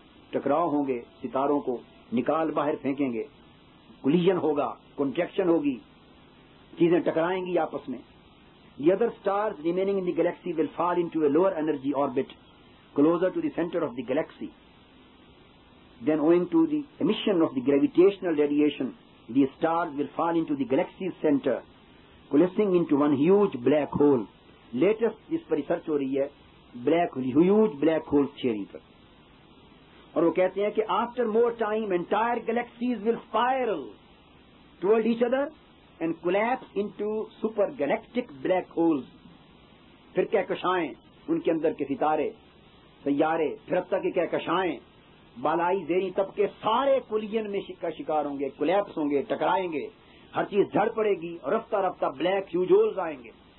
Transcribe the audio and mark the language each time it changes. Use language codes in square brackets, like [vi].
[ur] ٹکراؤ ہوں گے، ستاروں کو نکال باہر پھینکیں گے، کولیژن ہوگا، کنٹریکشن ہوگی، چیزیں ٹکرائیں گی آپس میں. [en] The other stars remaining in the galaxy will fall into a lower energy orbit closer to the centre of the galaxy. Then owing to the emission of the gravitational radiation, the stars will fall into the galaxy's center, coalescing into one huge black hole. Latest, this research is [ur] black hole, huge black hole theory پر. اور وہ کہتے ہیں کہ [en] After more time entire galaxies will spiral toward each other and collapse into super galactic black holes. [ur] پھر کہکشائیں ان کے اندر کے ستارے سیارے، پھر اب تک کہ کہکشائیں بالائی زیریں طبقے سارے کلین میں شکار ہوں گے، کولیپس ہوں گے، ٹکرائیں گے، ہر چیز جھڑ پڑے گی، اور رفتہ رفتہ بلیک ہیوج ہولز آئیں گے.